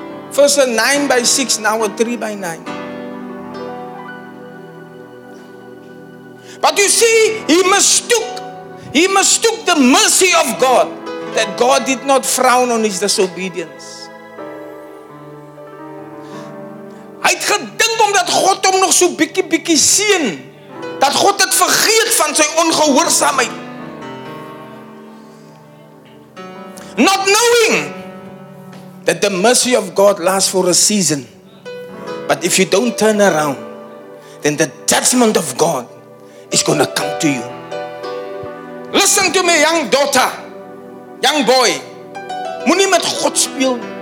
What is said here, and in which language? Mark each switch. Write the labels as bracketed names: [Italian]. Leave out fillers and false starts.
[English] First a 9x6, now a 3x9. But you see, he mistook the mercy of God, that God did not frown on his disobedience. [Afrikaans] Hy het gedink omdat God hom nog so bietjie seën, dat God het vergeet van sy ongehoorsaamheid. [English] Not knowing that the mercy of God lasts for a season. But if you don't turn around, then the judgment of God is going to come to you. Listen to me, young daughter, young boy. [Afrikaans] Moenie met God speel.